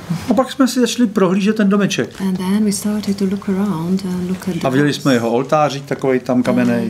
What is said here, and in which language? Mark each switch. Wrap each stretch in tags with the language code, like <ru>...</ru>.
<cs>A pak jsme si začali prohlížet ten domeček.</cs> <en>And then we started to look around and look at the</en> <cs>a viděli jsme jeho oltářík takovej tam kamenej.</cs>